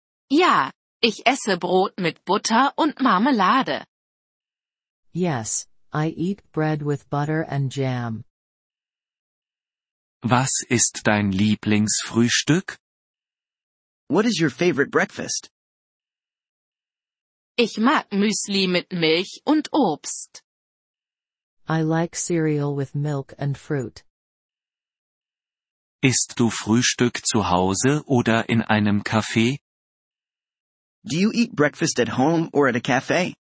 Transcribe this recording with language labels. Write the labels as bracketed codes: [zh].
[de] Ja, ich esse Brot mit Butter und Marmelade. [en] Yes, I eat bread with butter and jam. [de] Was ist dein Lieblingsfrühstück? [en] What is your favorite breakfast? [de] Ich mag Müsli mit Milch und Obst. [en] I like cereal with milk and fruit. [de] Isst du Frühstück zu Hause oder in einem Café? [en] Do you eat breakfast at home or at a cafe?